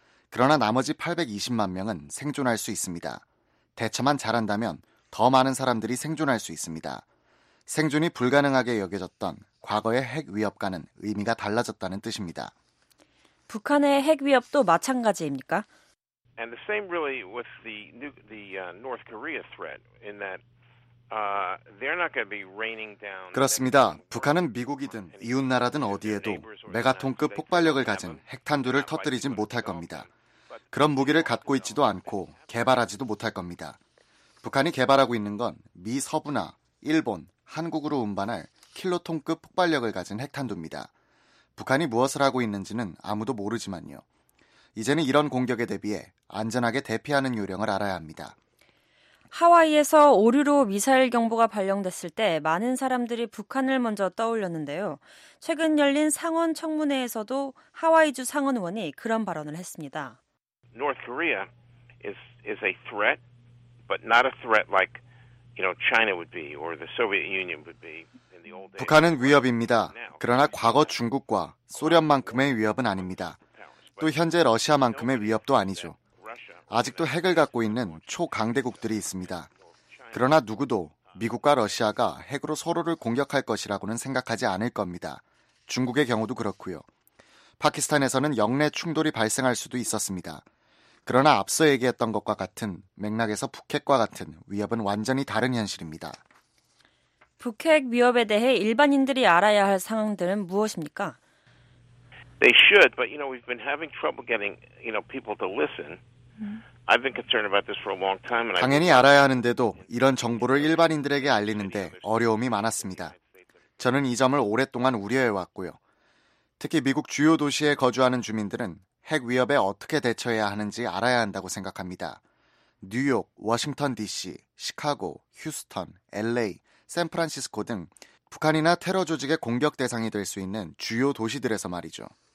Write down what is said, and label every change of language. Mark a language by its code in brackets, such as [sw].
[ko] 그러나 나머지 820만 명은 생존할 수 있습니다. 대처만 잘한다면 더 많은 사람들이 생존할 수 있습니다. 생존이 불가능하게 여겨졌던 과거의 핵 위협과는 의미가 달라졌다는 뜻입니다. 북한의 핵 위협도 마찬가지입니까? [en] And the same really with the North Korea threat in that they're not going to be raining down. [ko] 그렇습니다. 북한은 미국이든 이웃 나라든 어디에도 메가톤급 폭발력을 가진 핵탄두를 터뜨리진 못할 겁니다. 그런 무기를 갖고 있지도 않고 개발하지도 못할 겁니다. 북한이 개발하고 있는 건 미 서부나 일본, 한국으로 운반할 킬로톤급 폭발력을 가진 핵탄두입니다. 북한이 무엇을 하고 있는지는 아무도 모르지만요. 이제는 이런 공격에 대비해 안전하게 대피하는 요령을 알아야 합니다. 하와이에서 오류로 미사일 경보가 발령됐을 때 많은 사람들이 북한을 먼저 떠올렸는데요. 최근 열린 상원 청문회에서도 하와이주 상원 의원이 그런 발언을 했습니다. [en] North Korea is a threat, but not a threat like, you know, China would be or the Soviet Union would be. [ko] 북한은 위협입니다. 그러나 과거 중국과 소련만큼의 위협은 아닙니다. 또 현재 러시아만큼의 위협도 아니죠. 아직도 핵을 갖고 있는 초강대국들이 있습니다. 그러나 누구도 미국과 러시아가 핵으로 서로를 공격할 것이라고는 생각하지 않을 겁니다. 중국의 경우도 그렇고요. 파키스탄에서는 영내 충돌이 발생할 수도 있었습니다. 그러나 앞서 얘기했던 것과 같은 맥락에서 북핵과 같은 위협은 완전히 다른 현실입니다. 북핵 위협에 대해 일반인들이 알아야 할 상황들은 무엇입니까? [en] They should, but you know we've been having trouble getting, you know, people to listen. I've been concerned about this for a long time. [ko] 당연히 알아야 하는데도 이런 정보를 일반인들에게 알리는데 어려움이 많았습니다. 저는 이 점을 오랫동안 우려해 왔고요. 특히 미국 주요 도시에 거주하는 주민들은 핵 위협에 어떻게 대처해야 하는지 알아야 한다고 생각합니다. 뉴욕, 워싱턴 DC, 시카고, 휴스턴, LA, 샌프란시스코 등 북한이나 테러 조직의 공격 대상이 될 수 있는 주요 도시들에서 말이죠.